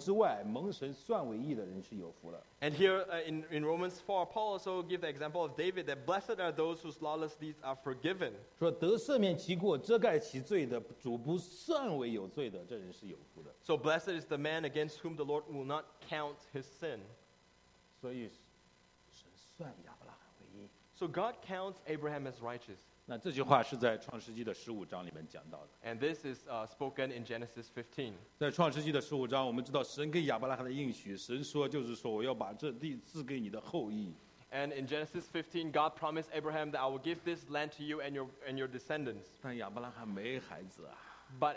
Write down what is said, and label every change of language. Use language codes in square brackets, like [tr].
[zh] 而且保罗在这个罗马书第三也举大卫的例子，说大卫称那在行为之外蒙神算为义的人是有福了。 [en] And here in Romans 4, Paul also gives the example of David, that blessed are those whose lawless deeds are forgiven. [zh] 说得赦免其过，遮盖其罪的，主不算为有罪的，这人是有福的。 [en] So blessed is the man against whom the Lord will not count his sin. [zh] 所以神算亚伯拉罕为义。 [en] So God counts Abraham as righteous. [zh] 那这句话是在创世纪的15章里面讲到的。 [en] And this is spoken in Genesis 15. [zh] 在创世纪的15章，我们知道神给亚伯拉罕的应许，神说就是说我要把这地赐给你的后裔。 [en] And in Genesis 15, God promised Abraham that I will give this land to you and your descendants. [zh] 但亚伯拉罕没孩子啊。 [en] But